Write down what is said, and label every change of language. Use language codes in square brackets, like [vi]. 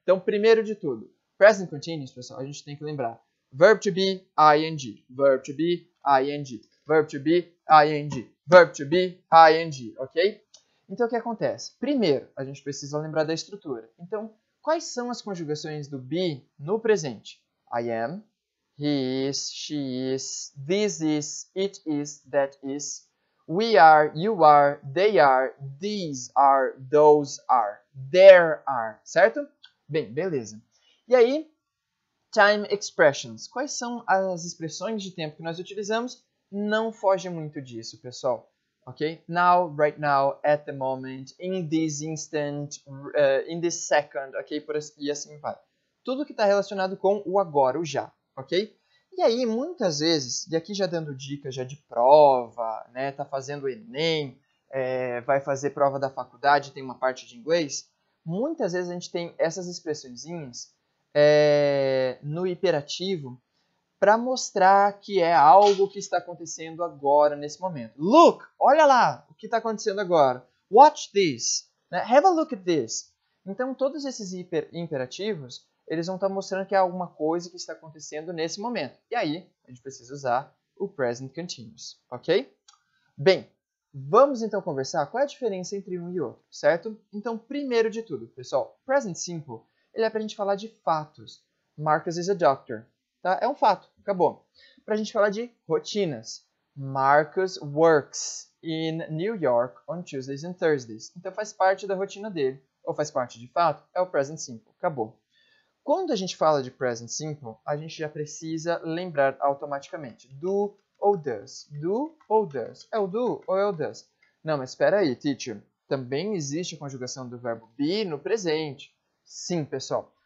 [pt] Então, primeiro de tudo, present continuous, pessoal, a gente tem que lembrar. [en] Verb to be, ing. Verb to be, ing. Verb to be, ing. Verb to be, ing, ok? [pt] Então, o que acontece? Primeiro, a gente precisa lembrar da estrutura. Então, quais são as conjugações do be no presente? [en] I am, he is, she is, this is, it is, that is. We are, you are, they are, these are, those are, there are, certo? [pt] Bem, beleza. E aí, time expressions. Quais são as expressões de tempo que nós utilizamos? Não foge muito disso, pessoal. Ok? [en] Now, right now, at the moment, in this instant, in this second, ok? [pt] Por assim, e assim vai. Tudo que está relacionado com o agora, o já, ok? E aí, muitas vezes, e aqui já dando dica já de prova, né, tá fazendo o Enem, vai fazer prova da faculdade, tem uma parte de inglês, muitas vezes a gente tem essas expressõezinhas no imperativo para mostrar que é algo que está acontecendo agora, nesse momento. Look, olha lá o que está acontecendo agora. [en] Watch this. Né? Have a look at this. [pt] Então, todos esses imperativos... Eles vão estar mostrando que há alguma coisa que está acontecendo nesse momento. E aí, a gente precisa usar o present continuous, ok? Bem, vamos então conversar qual é a diferença entre um e outro, certo? Então, primeiro de tudo, pessoal, present simple, ele é para a gente falar de fatos. [en] Marcus is a doctor. [pt] tá? É um fato, acabou. Pra gente falar de rotinas. [en] Marcus works in New York on Tuesdays and Thursdays. [pt] Então faz parte da rotina dele. Ou faz parte de fato? É o present simple. Acabou. Quando a gente fala de present simple, a gente já precisa lembrar automaticamente. Do ou does? Do ou does? É o do ou é o does? Não, mas espera aí, teacher. Também existe a conjugação do verbo be no presente. Sim, pessoal.